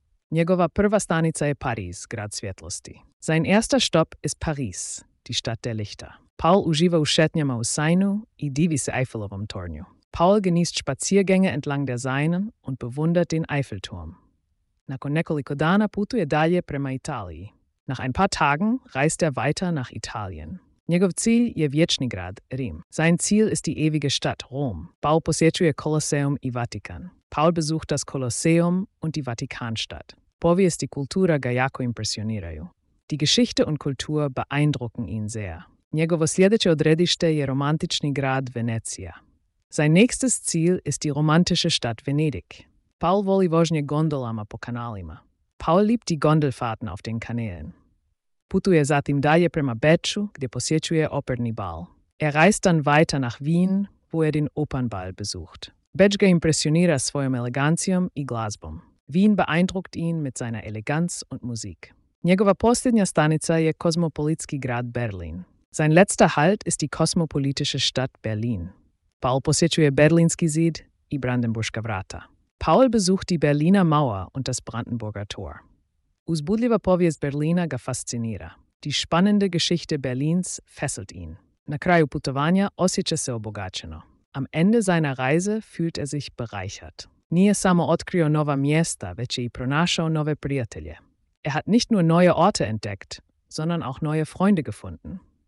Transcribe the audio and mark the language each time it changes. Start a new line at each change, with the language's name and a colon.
Croatian: Njegova prva stanica je Paris, grad svjetlosti.
German: Sein erster Stopp ist Paris, die Stadt der Lichter.
Croatian: Paul uživa u šetnjama u Seinu i divi se Eiffelovom tornju.
German: Paul genießt Spaziergänge entlang der Seine und bewundert den Eiffelturm.
Croatian: Nakon nekoliko dana putuje dalje prema Italiji.
German: Nach ein paar Tagen reist er weiter nach Italien.
Croatian: Njegov cilj je vječni grad, Rim.
German: Sein Ziel ist die ewige Stadt, Rom.
Croatian: Paul posjećuje Kolosseum i Vatikan.
German: Paul besucht das Kolosseum und die Vatikanstadt.
Croatian: Povijest i kultura ga jako impresioniraju.
German: Die Geschichte und Kultur beeindrucken ihn sehr.
Croatian: Njegovo sljedeće odredište je romantični grad Venecija.
German: Sein nächstes Ziel ist die romantische Stadt Venedig.
Croatian: Paul voli vožnje gondolama po kanalima.
German: Paul liebt die Gondelfahrten auf den Kanälen.
Croatian: Putuje zatim dalje prema Beču, gdje posjećuje operni bal.
German: Er reist dann weiter nach Wien, wo er den Opernball besucht.
Croatian: Beč ga impresionira svojom elegancijom i glazbom.
German: Wien beeindruckt ihn mit seiner Eleganz und Musik.
Croatian: Njegova posljednja stanica je kosmopolitski grad Berlin.
German: Sein letzter Halt ist die kosmopolitische Stadt Berlin.
Croatian: Paul posjećuje Berlinski zid i Brandenburgska vrata.
German: Paul besucht die Berliner Mauer und das Brandenburger Tor.
Croatian: Uzbudljiva povijest Berlina ga fascinira.
German: Die spannende Geschichte Berlins fesselt ihn.
Croatian: Na kraju putovanja osjeća se obogaćeno.
German: Am Ende seiner Reise fühlt er sich bereichert.
Croatian: Nije samo otkrio nova mjesta, već je i pronašao nove prijatelje.
German: Er hat nicht nur neue Orte entdeckt, sondern auch neue Freunde gefunden.